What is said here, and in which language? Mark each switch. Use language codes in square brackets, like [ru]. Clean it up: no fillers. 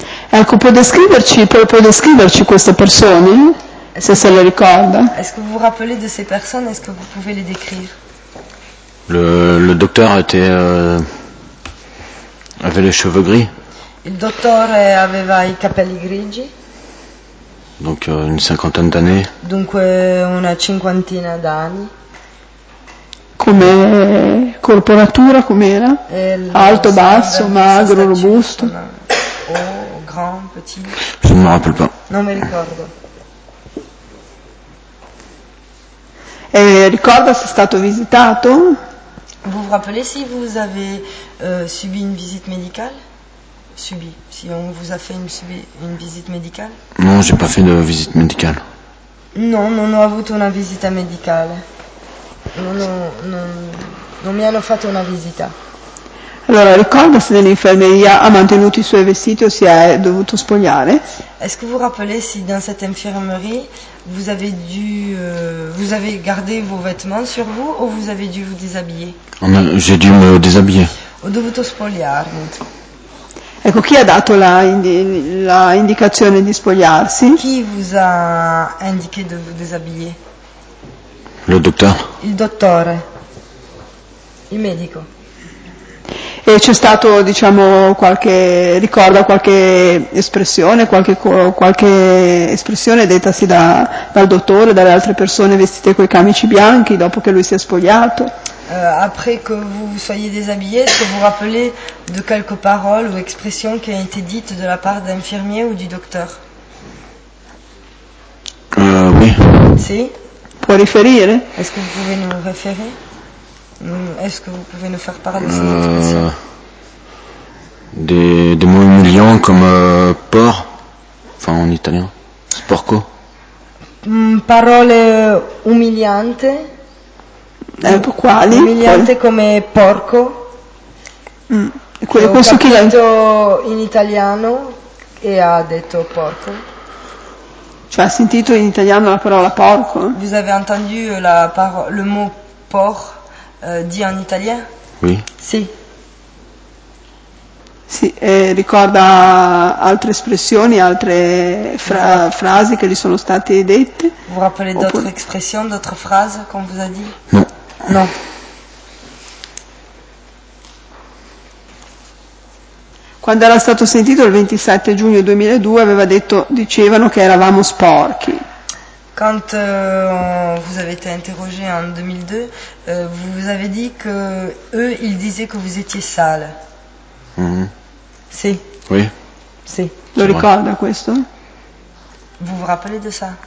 [it] Ecco, può descriverci queste persone, se le ricorda? [fr] Est-ce que vous rappelez de ces personnes, est-ce que vous pouvez les décrire? Le docteur était avait les cheveux gris. [it] Il dottore aveva i capelli grigi. [fr] Donc une cinquantaine d'années. [it] Donc una cinquantina d'anni. Come corporatura com'era? Alto, basso, magro, robusto? [fr] Grand, petit. Je ne me rappelle pas. [it] Non mi ricordo. E ricorda se è stato visitato? [fr] Vous vous rappelez si vous avez subi une visite médicale? Subi, si on vous a fait une visite médicale? Non, j'ai pas fait de visite médicale. [it] Non, non ho avuto una visita medicale. Non mi hanno fatto una visita. Allora, ricorda se nell'infermeria ha mantenuto i suoi vestiti o si è dovuto spogliare? [fr] Est-ce que vous rappelez si dans cette infirmerie vous avez gardé vos vêtements sur vous ou vous avez dû vous déshabiller? J'ai dû me déshabiller. [it] Ho dovuto spogliarmi. Ecco, chi ha dato la indicazione di spogliarsi? [fr] Chi vous a indiqué de vous déshabiller? Le docteur. [it] Il dottore. Il medico. E c'è stato, diciamo, qualche ricorda qualche espressione, qualche espressione dettasi dal dottore, dalle altre persone vestite coi camici bianchi dopo che lui si è spogliato? [fr] Après que vous soyez déshabillé, est-ce que vous vous rappelez de quelques paroles ou expressions qui ont été dites de la part d'infirmier ou du docteur? Oui. [it] Si. [fr] Pour référer. Est-ce que vous pouvez nous référer? Est-ce que vous pouvez nous faire part de ces expressions? Des mots humiliants comme porc, enfin en italien, sporco. Paroles humiliantes. [it] Quali? Umiliante come porco. Questo chi l'ha detto in italiano e ha detto porco. Cioè ha sentito in italiano la parola porco? [fr] Vous avez entendu la le mot porc dit en italien? Oui. [it] Si. Si, ricorda altre espressioni, altre frasi che gli sono state dette? [fr] Vous rappelez d'autres expressions, d'autres phrases qu'on vous a dit? [it] No. [fr] Non. [it] Quando era stato sentito il 27 giugno 2002 aveva detto dicevano che eravamo sporchi. [fr] Quand vous avez été interrogé en 2002, vous avez dit que eux ils disaient que vous étiez sale. [it] Sì. [fr] Oui. [it] Sì. Lo ricorda questo? [fr] Vous vous rappelez de ça?